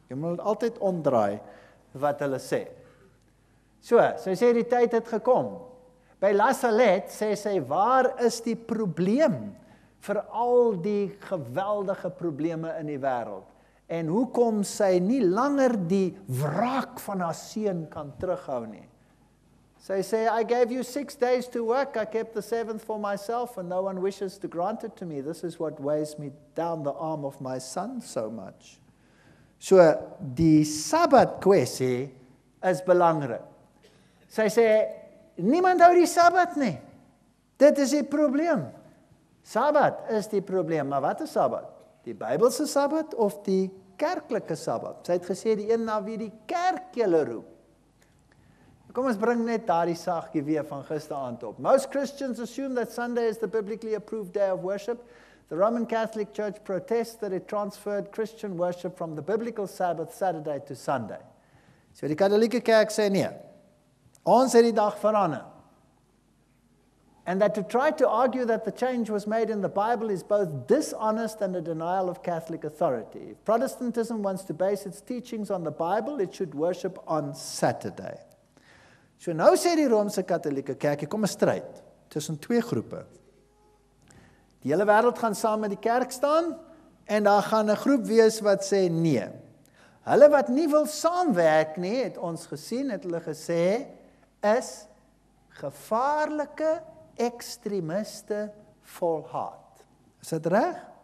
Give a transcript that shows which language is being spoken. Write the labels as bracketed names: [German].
[Afrikaans] Jy moet altyd omdraai wat hulle sê. So, sy sê die tyd het gekom. By Lasalet sê sy, waar is die probleem vir al die geweldige probleme in die wêreld? En hoekom sy nie langer die wraak van haar seun kan terughou nie. [English] Sy sê, I gave you 6 days to work, I kept the seventh for myself, and no one wishes to grant it to me. This is what weighs me down the arm of my son so much. [Afrikaans] So, die Sabbat kwessie is belangrik. Sy sê, niemand hou die Sabbat nie. Dit is die probleem. Sabbat is die probleem, maar wat is Sabbat? Die Bybelse Sabbat of die kerklike Sabbat? Sy het gesê, die een na wie die kerk julle roep. Kom ons bring net daar die saagkie weer van gisteraand op. [English] Most Christians assume that Sunday is the biblically approved day of worship. The Roman Catholic Church protests that it transferred Christian worship from the biblical Sabbath Saturday to Sunday. [Afrikaans] So die katholieke kerk sê nee. Ons het die dag verander. [English] And that to try to argue that the change was made in the Bible is both dishonest and a denial of Catholic authority. If Protestantism wants to base its teachings on the Bible, it should worship on Saturday. [Afrikaans] So nou sê die Romeinse Katolieke Kerk, hier kom 'n stryd tussen twee groepe. Die hele wêreld gaan saam met die kerk staan en daar gaan 'n groep wees wat sê nee. Hulle wat nie wil saamwerk nie, het ons gesien, het hulle gesê, is gevaarlike ekstremiste volhard. Is dit reg?